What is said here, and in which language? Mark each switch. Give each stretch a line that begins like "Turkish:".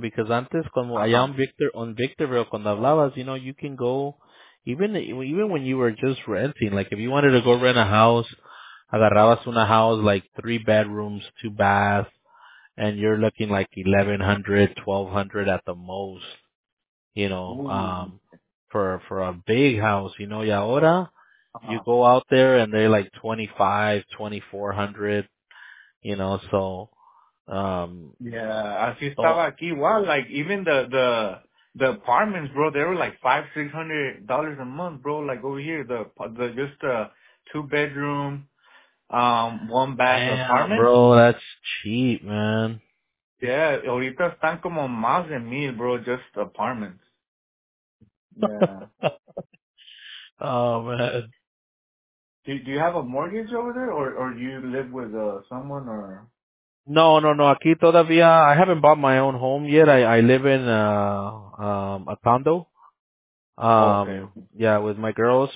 English: Because
Spanish: antes, cuando allá
English: on Victorville,
Spanish: cuando hablabas,
English: you know, you can go, even when you were just renting, like if you wanted to go rent a house,
Spanish: agarrabas una
English: house, like 3 bedrooms, 2 baths, and you're looking like 1100, 1200 at the most, you know, for a big house, you know,
Spanish: y ahora,
English: you go out there and they're like 2500, 2400, you know, so,
Spanish: yeah, así estaba aquí.
English: Wow, like even the apartments, bro, they were like $500-$600 a month, bro. Like over here, the just a 2 bedroom, 1 bath apartment. Bro, that's cheap, man.
Spanish: Yeah, ahorita están como más de mil, bro,
English: just apartments. Yeah. Oh man. Do you have a mortgage over there, or do you live with someone or? No.
Spanish: Aquí todavía,
English: I haven't bought my own home yet. I live in a condo. Okay. Yeah, with my girls.